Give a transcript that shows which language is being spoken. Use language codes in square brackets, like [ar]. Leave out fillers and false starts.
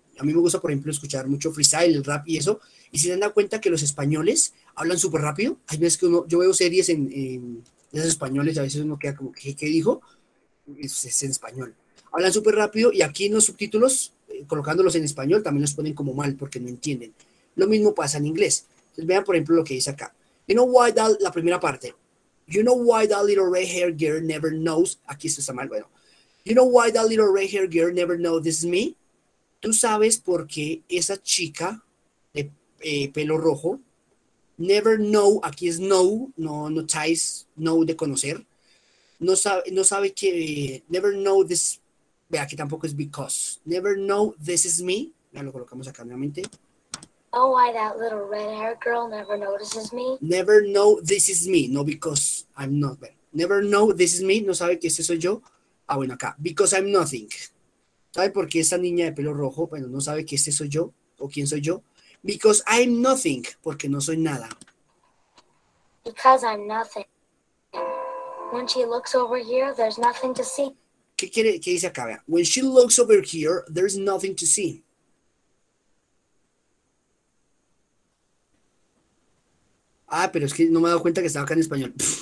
[es] A mí me gusta, por ejemplo, escuchar mucho freestyle, el rap y eso, y si se dan cuenta que los españoles hablan súper rápido, hay veces que yo veo series de esos españoles, a veces uno queda como, ¿qué dijo? Es en español. Hablan súper rápido y aquí en los subtítulos, colocándolos en español, también los ponen como mal porque no entienden. Lo mismo pasa en inglés. Entonces vean, por ejemplo, lo que dice acá. [en] You know why that, [es] la primera parte. [en] You know why that little red-haired girl never knows. [es] Aquí esto está mal, bueno. [en] You know why that little red-haired girl never knows this is me. [es] Tú sabes por qué esa chica de pelo rojo, [en] never know, [es] aquí es know, no notáis, know de conocer. No sabe que, [en] never know this, [es] vea que tampoco es because. [en] Never know this is me. [es] Ya lo colocamos acá nuevamente. [en] Oh, why that little red-haired girl never notices me. Never know this is me, no because I'm not. Never know this is me, [es] no sabe que ese soy yo. Ah, bueno, acá, [en] because I'm nothing. [es] ¿Sabe por qué esa niña de pelo rojo, bueno, no sabe que este soy yo o quién soy yo? [en] Because I'm nothing, [es] porque no soy nada. [en] Because I'm nothing. When she looks over here, there's nothing to see. [es] ¿Qué quiere, qué dice acá? [en] When she looks over here, there's nothing to see. [es] Ah, pero es que no me he dado cuenta que estaba acá en español.